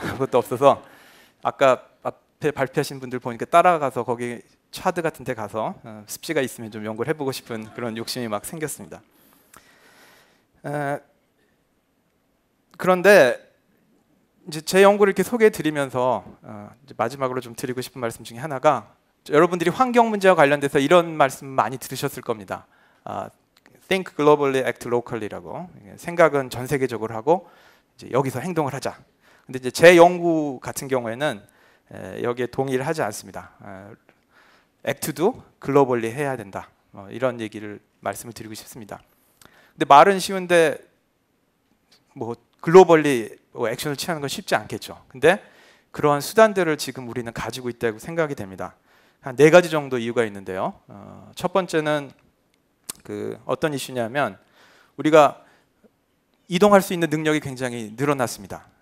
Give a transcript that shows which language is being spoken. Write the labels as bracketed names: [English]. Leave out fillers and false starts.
[Korean] 아무것도 없어서 아까 앞에 발표하신 분들 보니까 따라가서 거기 차드 같은 데 가서 습지가 있으면 좀 연구를 해보고 싶은 그런 욕심이 막 생겼습니다. 그런데 이제 제 연구를 이렇게 소개해 드리면서 이제 마지막으로 좀 드리고 싶은 말씀 중에 하나가 여러분들이 환경 문제와 관련돼서 이런 말씀 많이 들으셨을 겁니다. [English] Think globally, act locally라고. [Korean] 생각은 전 세계적으로 하고 이제 여기서 행동을 하자. 근데 이제 제 연구 같은 경우에는 여기에 동의를 하지 않습니다. [English] Act do globally [Korean] 해야 된다. 이런 얘기를 말씀을 드리고 싶습니다. 근데 말은 쉬운데 뭐 글로벌리 액션을 취하는 건 쉽지 않겠죠. 근데 그러한 수단들을 지금 우리는 가지고 있다고 생각이 됩니다. 한네 가지 정도 이유가 있는데요. 첫 번째는 그 어떤 이슈냐면 우리가 이동할 수 있는 능력이 굉장히 늘어났습니다.